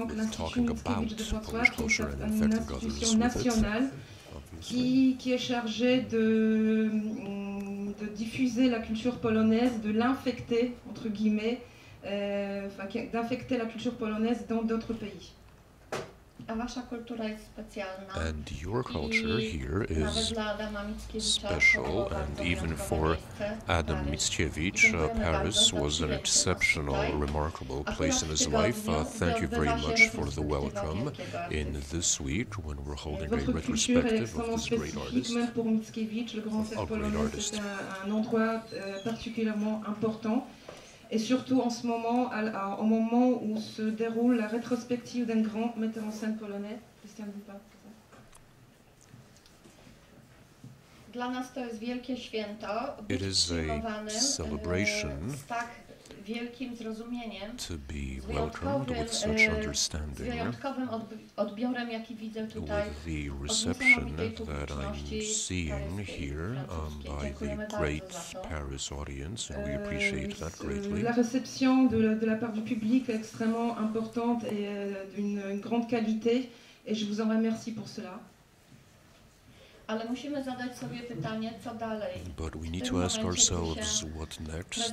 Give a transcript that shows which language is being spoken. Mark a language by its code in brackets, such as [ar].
[en] Talking about Polish culture and infecting others with it. [fr] Qui est chargée de diffuser la culture polonaise, de l'infecter entre guillemets, d'infecter la culture polonaise dans d'autres pays. [en] And your culture here is special, and even for Adam Mickiewicz, Paris was an exceptional, remarkable place in his life. Thank you very much for the welcome in this week when we're holding a retrospective of this great artist. [fr] Un endroit particulièrement important. Et surtout en ce moment, au moment où se déroule la rétrospective d'un grand metteur en scène polonais, Krystian Lupa. [pl] Dla nas to jest wielkie święto. [en] It is a celebration. To be welcomed with such understanding, with the reception that I'm seeing here by the great Paris audience, and we appreciate that greatly. [fr] La réception de la part du public est extrêmement importante et d'une grande qualité, et je vous en remercie pour cela. [pl] Ale musimy zadać sobie pytanie, co dalej. [en] But we need to ask ourselves what next.